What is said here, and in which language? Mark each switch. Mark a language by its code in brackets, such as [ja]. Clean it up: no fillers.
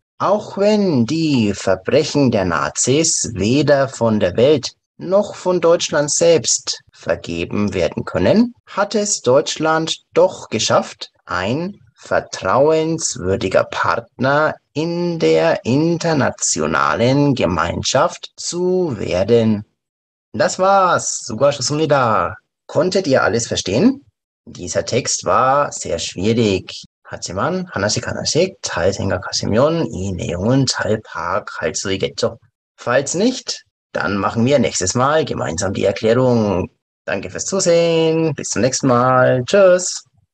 [de] Auch wenn die Verbrechen der Nazis weder von der Welt noch von Deutschland selbst vergeben werden können, hat es Deutschland doch geschafft, ein vertrauenswürdiger Partner in der internationalen Gemeinschaft zu werden. Das war's. Konntet ihr alles verstehen? Dieser Text war sehr schwierig. [ko] 하지만 하나씩 잘 생각하시면 이 내용은 잘 파악할 수 있겠죠. [de] Falls nicht, dann machen wir nächstes Mal gemeinsam die Erklärung. Danke fürs Zusehen. Bis zum nächsten Mal. Tschüss.